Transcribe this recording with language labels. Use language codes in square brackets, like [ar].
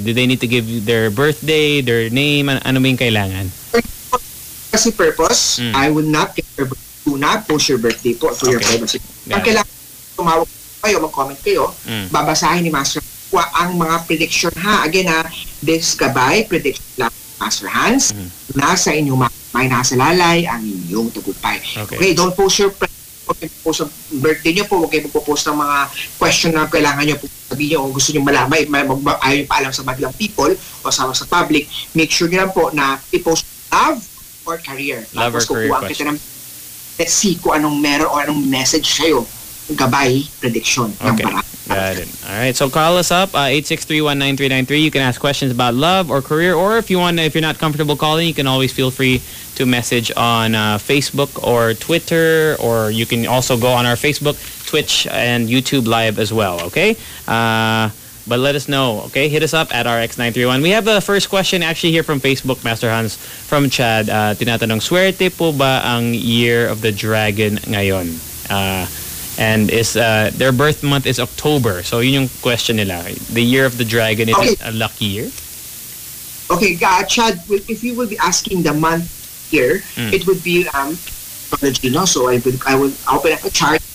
[en] Do they need to give their birthday, their name, [tl] ano ba yung kailangan? [en] Kasi purpose, I will not get your birthday. Do not post your birthday [tl] po for your privacy. Ang kailangan tumawag kayo, mag-comment kayo, babasahin ni Master Hans ang mga prediction ha. Again ha, this gabay, prediction lang Master Hans, nasa inyong may nasa lalay, ang inyong tagumpay. [en] Okay, [tl] okay, don't post your post ang birthday nyo po, huwag kayo magpo-post ng mga question na kailangan nyo po sabihin nyo kung gusto nyo malamay, ayaw nyo paalam sa madilang people o sa public, make sure nyo lang po na i-post love or career. [en] Love or career question. [tl] Let's see kung anong meron o anong message sa'yo. Gabay prediction. [en] Okay, got it. All right, so call us up 863-1993. You can ask questions about love or career, or if you want, if you're not comfortable calling, you can always feel free to message on Facebook or Twitter, or you can also go on our Facebook, Twitch, and YouTube Live as well. Okay, but let us know. Okay, hit us up at RX931. We have the first question actually here from Facebook, Master Hans, from Chad. [tl] Tinatanong, swerte po ba ang Year of the Dragon ngayon? [en] And is their birth month is October. [tl] So yun yung question nila. [en] The Year of the Dragon, is okay. It a lucky year? Okay, Chad, if you will be asking the month here, it would be astrology, no? So I would open up a chart.